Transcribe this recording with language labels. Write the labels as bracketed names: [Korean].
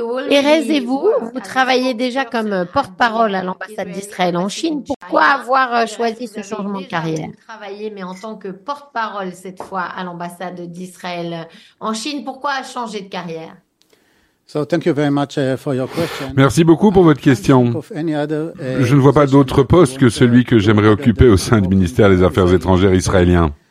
[French] Erez et vous, vous travaillez déjà comme porte-parole à l'ambassade d'Israël en Chine. Pourquoi avoir choisi ce changement de carrière? Travailler, mais en tant que porte-parole cette fois à l'ambassade d'Israël en Chine, pourquoi changer de carrière? [English] So thank you very much for your question. [French] Merci beaucoup pour votre question. Je ne vois pas d'autre poste que celui que j'aimerais occuper au sein du ministère des Affaires étrangères israélien.